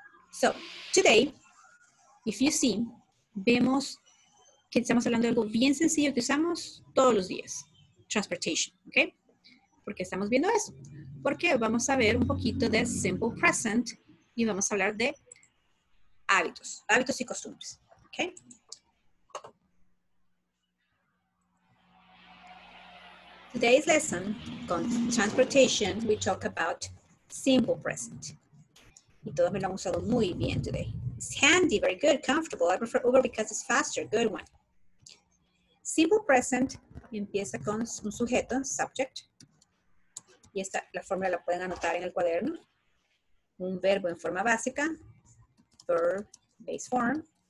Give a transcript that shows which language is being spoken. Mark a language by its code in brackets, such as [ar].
[en] So, today, if you see, [es] vemos que estamos hablando de algo bien sencillo que usamos todos los días. Transportation, ¿ok? ¿Por qué estamos viendo eso? Porque vamos a ver un poquito de simple present y vamos a hablar de hábitos, hábitos y costumbres, ¿ok? [en] Today's lesson, con transportation, we talk about simple present. [es] Y todos me lo han usado muy bien today. [en] It's handy, very good, comfortable. I prefer Uber because it's faster. Good one. [es] Simple present empieza con un sujeto, subject. Y esta, la fórmula la pueden anotar en el cuaderno. Un verbo en forma básica. [en] Verb, base form.